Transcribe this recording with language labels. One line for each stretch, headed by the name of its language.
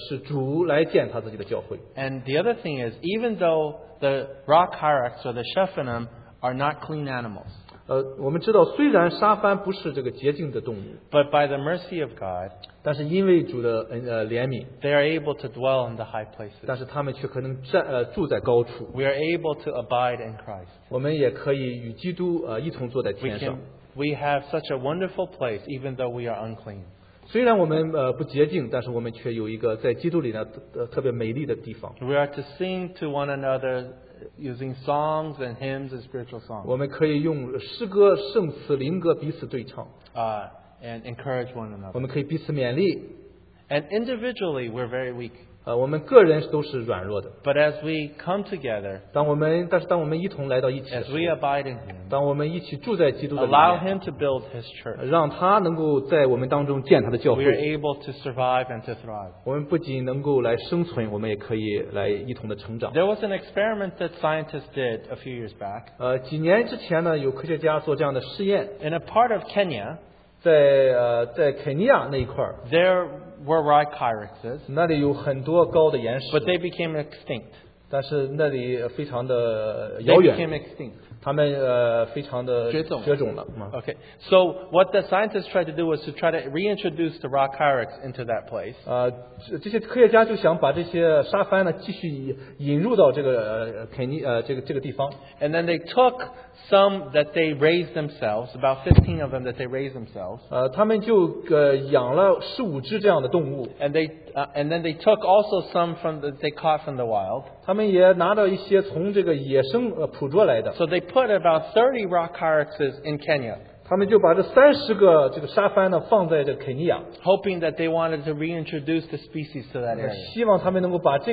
Chinese: 我们知道呢，这就告诉我们是主来建他自己的教会。
English: And the other thing is, even though the rock hierarchs or the Shephanim are not clean animals,
Chinese: 我们知道虽然沙番不是这个洁净的动物,
English: but by the mercy of God,
Chinese: 但是因为主的怜悯,
English: they are able to dwell in the high places.
Chinese: 但是他们却可能住在高处。
English: We are able to abide in Christ.
Chinese: 我们也可以与基督一同坐在天上。
English: We have such a wonderful place even though we are unclean.
Chinese: 虽然我们不洁净，但是我们却有一个在基督里呢特别美丽的地方。
English: We are to sing to one another using songs and hymns and spiritual songs.
Chinese: 我们可以用诗歌、圣词、灵歌彼此对唱。
English: And encourage one another.
Chinese: 我们可以彼此勉励。
English: And individually, we're very weak.
Chinese: 我们个人都是软弱的。
English: But as we come together,
Chinese: 但是当我们一同来到一起的时候,
English: as we abide in him,
Chinese: 当我们一起住在基督的里面,
English: allow him to build his church,
Chinese: 让他能够在我们当中建他的教会,
English: we are able to survive and to thrive.
Chinese: 我们不仅能够来生存, 我们也可以来一同的成长。
English: There was an experiment that scientists did a few years back.
Chinese: 几年之前呢, 有科学家做这样的试验。
English: In a part of Kenya,
Chinese: 在肯尼亚那一块,
English: there were rock hierarchs,
Chinese: 那里有很多高的岩石,
English: but they became extinct. 但是那里非常的遥远, they became extinct. Okay. So what the scientists tried to do was to try to reintroduce the rock hyrax into that place.
Chinese: 这些科学家就想把这些沙帆呢继续引入到这个地方。
English: And then they took some that they raised themselves, about 15 of them that they raised themselves.
Chinese: 他们就养了15只这样的动物。
English: And then they took also some from that they caught from the wild.
Chinese: 他们也拿到一些从这个野生捕捉来的。
English: So they put about 30 rock hyraxes in Kenya.
Chinese: 他们就把这30个这个沙帆呢放在这肯尼亚。
English: Hoping that they wanted to reintroduce the species to that area.